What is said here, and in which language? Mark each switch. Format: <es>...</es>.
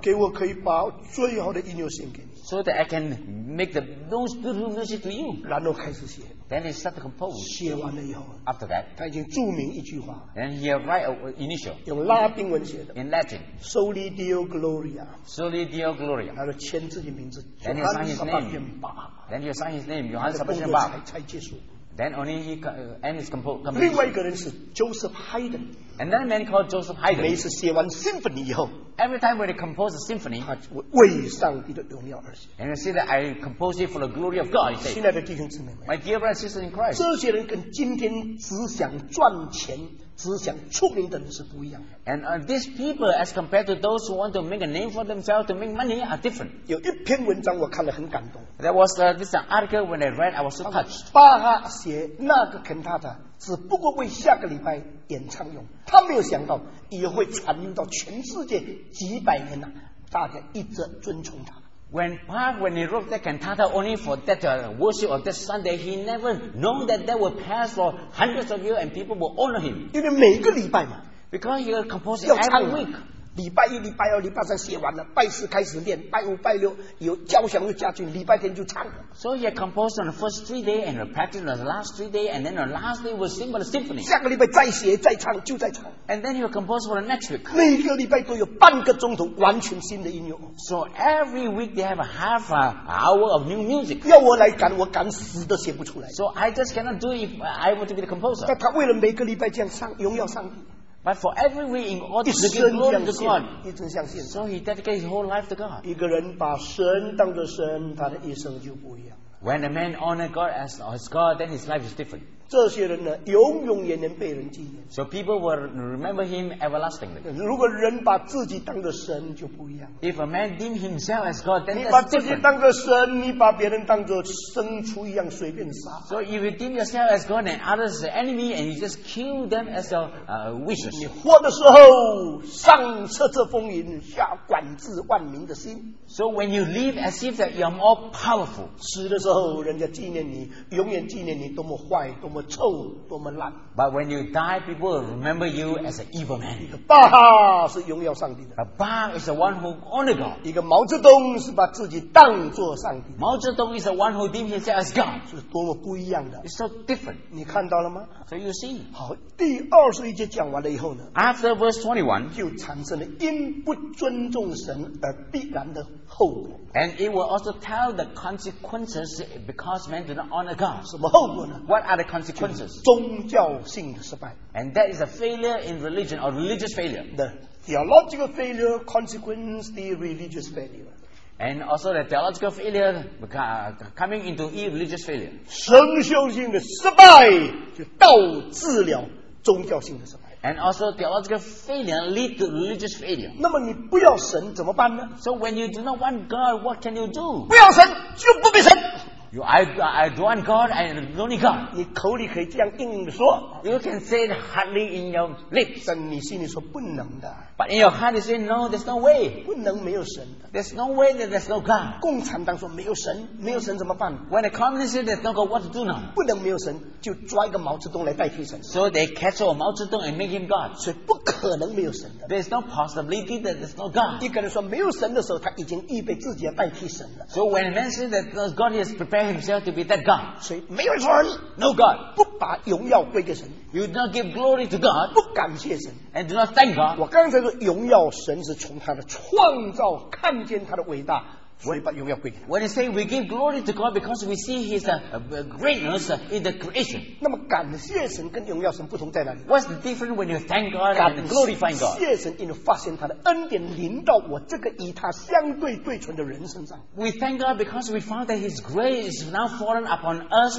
<zh>给我可以把最好的音乐献给你,</zh> <en>so that I can make the most beautiful music to you.</en> <zh>然后开始写,</zh> <en>then he start to compose.</en> <zh>写完了以后,</zh> <en>after that,</en> <zh>他已经注明一句话,</zh> <en>and he write an initial.</en> <zh>用拉丁文写的,</zh> <en>in Latin.</en> <la>Soli Deo Gloria. Soli Deo Gloria.</la> <zh>他说签自己名字,</zh> <en>then he sign his name. Then he sign his name, Johann Sebastian Bach. Then only he and his composition.</en> <zh>另外一个人是 Joseph Haydn.</zh> <en>Another man called Joseph Haydn.</en> <zh>每次写完 symphony 以后，</zh> <en>every time when he composed a symphony,</en> <zh>他为上帝的荣耀而写。</zh> <en>And he said that I composed it for the glory of God.</en> <zh>亲爱的弟兄姊妹们，</zh> <en>my dear brothers and sisters in Christ.</en> <zh>这些人跟今天只想赚钱。只想出名的人是不一样</zh> <en>And these people as compared to those who want to make a name for themselves to make money are different</en> <zh>有一篇文章我看了很感动</zh> <en>There was this article when I read I was so touched</en> <zh>巴哈写那个 cantata 只不过为下个礼拜演唱用他没有想到以后会传入到全世界几百年了大家一直尊崇他。</zh> <en>When Park, when he wrote that cantata only for that worship of that Sunday, he never known that that would pass for hundreds of years and people will honor him.</en> <zh>因为每个礼拜嘛</zh> <en>because he will compose every week.</en> <zh>礼拜一、礼拜二、礼拜三写完了，拜四开始练，拜五、拜六有交响乐加进，礼拜天就唱。</zh> <en>So he composed on the first 3 days and practiced on the last 3 days, and then the last day was sing the symphony.</en> <zh>下个礼拜再写、再唱，就再唱。</zh> <en>And then he will compose for the next week.</en> <zh>每个礼拜都有半个钟头完全新的音乐。</zh> <en>So every week they have a half an hour of new music.</en> <zh>要我来赶，我赶死都写不出来。</zh> <en>So I just cannot do it if I want to be the composer.</en> <zh>但他为了每个礼拜这样唱，荣耀上帝。</zh> <en>But for every week in order to give glory to God,</en> <zh>一生相信。</zh> <en>So he dedicated his whole life to God.</en> <zh>一个人把神当作神，他的一生就不一样。</zh> <en>When a man honors God as his God, then his life is different.</en> <zh>这些人呢，永永远远被人纪念。</zh> <en>So people will remember him everlastingly.</en> <zh>如果人把自己当作神，就不一样。</zh> <en>If a man deem himself as God, then that's different.</en> <zh>你把自己当作神，你把别人当作牲畜一样随便杀。</zh> <en>So if you deem yourself as God and others as enemy, and you just kill them as your wishes.</en> <zh>你活的时候，上策策风云，下管制万民的心。</zh> <en>So when you live as if that you're all powerful.</en> <zh>死的时候，人家纪念你，永远纪念你多么坏。多么臭，多么烂。</zh> <en>But when you die, people will remember you as an evil man.</en> <zh>一个巴哈是荣耀上帝的。</zh> <en>A Ba is the one who honored God.</en> <zh>一个毛泽东是把自己当作上帝。</zh> <en>毛泽东 is the one who deemed himself as God.</en> <zh>是多么不一样的。</zh> <en>It's so different.</en> <zh>你看到了吗</zh> <en>？So you see.</en> <zh>好，第二十一节讲完了以后呢</zh> <en>？After verse 21,</en> <zh>就产生了因不尊重神而必然的后果。</zh> <en>And it will also tell the consequences because men do not honor God.</en> <zh>什么后果呢</zh> <en>？What are the consequences?</en> <zh>宗教性的失败。</zh> <en>And that is a failure in religion or religious failure. The theological failure consequence the religious failure. And also the theological failure coming into irreligious failure.</en> <zh>神修性的失败就导致了宗教性的失败。</zh> <en>And also theological failure lead to religious failure.</en> <zh>那么你不要神怎么办呢</zh> <en>？So when you do not want God, what can you do?</en> <zh>不要神就不必神。</zh> <en>I don't want God, I don't need God.</en> <zh>你口里可以这样硬说。</zh> <en>You can say it hardly in your lips.</en> <zh>但你心里说不能的。</zh> <en>But in your heart, you say no, there's no way.</en> <zh>不能没有神的。</zh> <en>There's no way that there's no God.</en> <zh>共产党说没有神，没有神怎么办</zh> <en>？When the communists say there's no God, what to do now?</en> <zh>不能没有神，就抓一个毛泽东来代替神。</zh> <en>So they catch a 毛泽东 and make him God.</en> <zh>所以不可能没有神的。</zh> <en>There's no possibility that there's no God.</en> <zh>一个人说没有神的时候，他已经预备自己要代替神了。</zh> <en>So when a man says that God has prepared himself to be that God,</en> <zh>所以没有神</zh> <en>，no God，</en> <zh>不把荣耀归给神。</zh> <en>You do not give glory to God，</en> <zh>不感谢神</zh> <en>，and do not thank God。</en> <zh>我刚才说。荣耀神是从他的创造看见他的伟大，所以把荣耀归给他。</zh> <en>When you say we give glory to God because we see His greatness in the creation，</en> <zh>那么感谢神跟荣耀神不同在哪里</zh> <en>？What's the difference when you thank God and glorify God？</en> <zh>感谢神，因为发现他的恩典临到我这个与他相对对存的人身上。</zh> <en>We thank God because we found that His grace is now fallen upon us.</en>